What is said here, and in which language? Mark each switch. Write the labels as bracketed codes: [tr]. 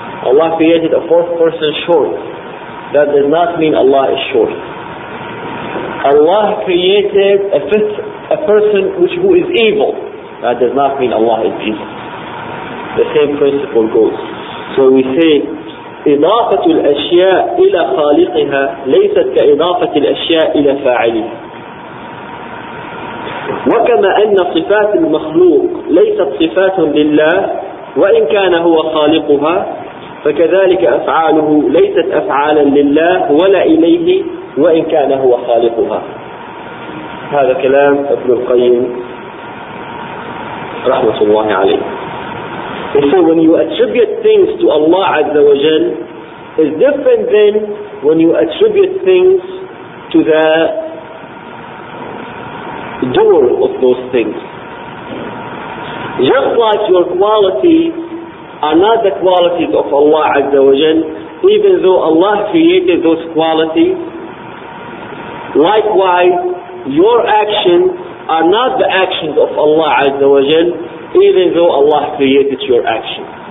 [en] Allah created a fourth person short. That does not mean Allah is short. Allah created a person which who is evil. That does not mean Allah is evil. The same principle goes. So we say, [ar] إضافة الأشياء إلى خالقها ليست كإضافة الأشياء إلى فاعلها. وكما أن صفات المخلوق ليست صفات لله وإن كان هو خالقها فكذلك أفعاله ليست أفعالا لله ولا إليه وإن كان هو خالقها. هذا كلام ابن القيم رحمة الله عليه. [en] And so when you attribute things to Allah Azza wa Jal, it's different than when you attribute things to the doer of those things. Just like your qualities are not the qualities of Allah Azza wa Jal, even though Allah created those qualities, likewise, your actions are not the actions of Allah Azza wa Jal, even though Allah created your action.